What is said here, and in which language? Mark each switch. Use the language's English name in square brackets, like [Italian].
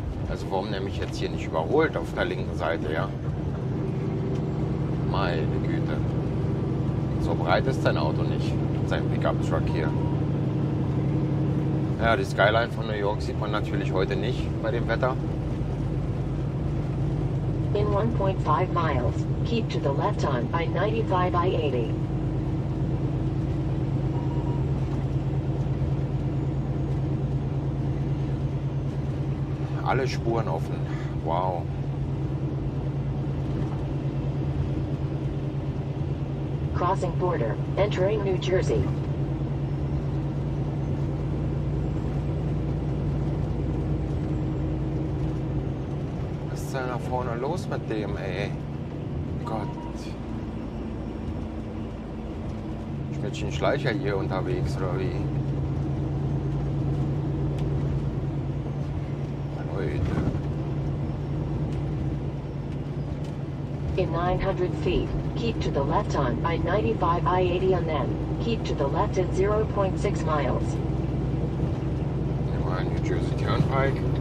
[German] Also warum nehme ich jetzt hier nicht überholt auf der linken Seite, ja? Meine Güte, so breit ist dein Auto nicht, sein Pickup Truck hier. Ja, die Skyline von New York sieht man natürlich heute nicht bei dem Wetter. [English] In 1.5 miles, keep to the left on I-95 I-80. [German] Alle Spuren offen. Wow. [English] Crossing border, entering New Jersey. [German] Was ist denn da vorne los mit dem, ey? Gott. Schmidtchen Schleicher hier unterwegs, oder wie? Leute. [English] In 900 feet, keep to the left on I-95 I-80 and then keep to the left at 0.6 miles. [German] Nehmen wir einen New Jersey Turnpike.